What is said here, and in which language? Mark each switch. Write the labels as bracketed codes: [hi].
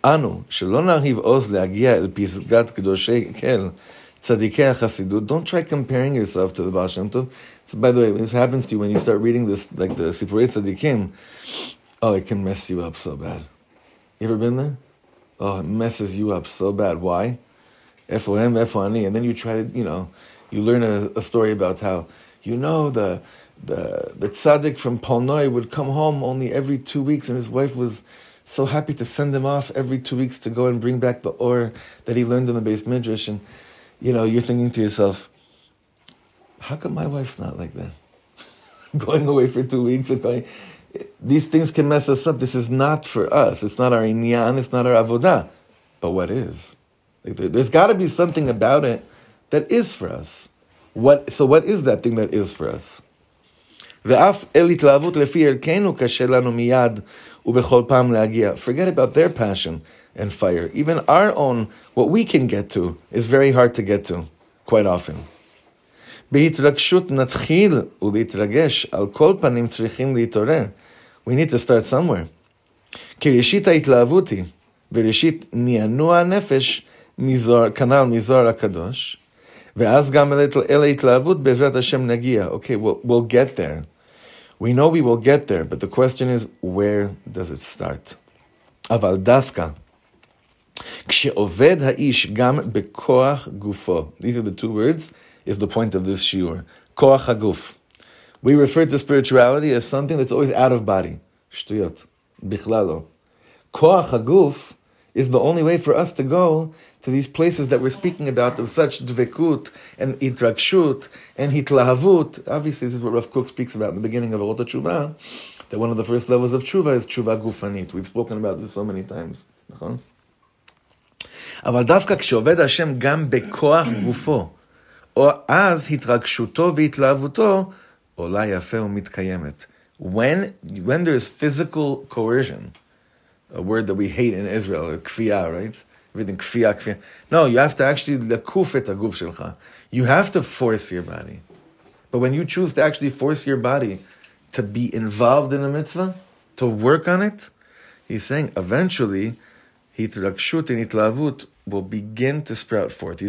[he] אנו, שלא נרהיב עוז להגיע אל פסגת קדושי כל, צדיקי החסידות. [en] Don't try comparing yourself to the Baal Shem Tov. So, by the way, this happens to you when you start reading this, like the Sipurei Tzadikim. Oh, it can mess you up so bad. You ever been there? Oh, it messes you up so bad. Why? [he] איפה הם, איפה אני? [en] And then you try to, you know, you learn a story about how, you know, the tzaddik from Polnoy would come home only every 2 weeks, and his wife was so happy to send him off every 2 weeks to go and bring back the or that he learned in the Beis Midrash. And, you know, you're thinking to yourself, how come my wife's not like that? Going away for 2 weeks and going, these things can mess us up. This is not for us. It's not our inyan. It's not our avodah. But what is? Like, there's got to be something about it that is for us. What is that thing that is for us? [he] ואף אל התלהבות לפי ערכנו קשה לנו מיד ובכל פעם להגיע. [en] Forget about their passion and fire. Even our own, what we can get to, is very hard to get to, quite often. [he] בהתרגשות נתחיל ובהתרגש, על כל פנים צריכים להתעורר. [en] We need to start somewhere. [he] כי ראשית ההתלהבות היא, וראשית נענוע הנפש כנל מזוהר הקדוש, ואז גם אל ההתלהבות בעזרת השם נגיע. [en] Okay, we'll get there. We know we will get there, but the question is, where does it start? [he] אבל דווקא, כשעובד האיש גם בכוח גופו, [en] these are the two words, is the point of this shiur. כוח הגוף. We refer to spirituality as something that's always out of body. [he] שטויות, בכלל לא. [en] כוח הגוף is the only way for us to go to these places that we're speaking about of such dvekut and itrakshut and hitlahavut. Obviously, this is what Rav Kook speaks about in the beginning of Orot HaTshuva, that one of the first levels of tshuva is tshuva gufanit. We've spoken about this so many times. [he] אבל דווקא כשעובד השם גם בכוח גופו, Or as התרגשותו והתלהבותו עולה יפה ומתקיימת. [en] When there is physical coercion, a word that we hate in Israel, kfiya, right? Everything kfiya, kfiya. No, you have to actually [he] lekuf et haguf shelcha. [en] You have to force your body. But when you choose to actually force your body to be involved in a mitzvah, to work on it, he's saying eventually התרגשות והתלהבות will begin to sprout forth.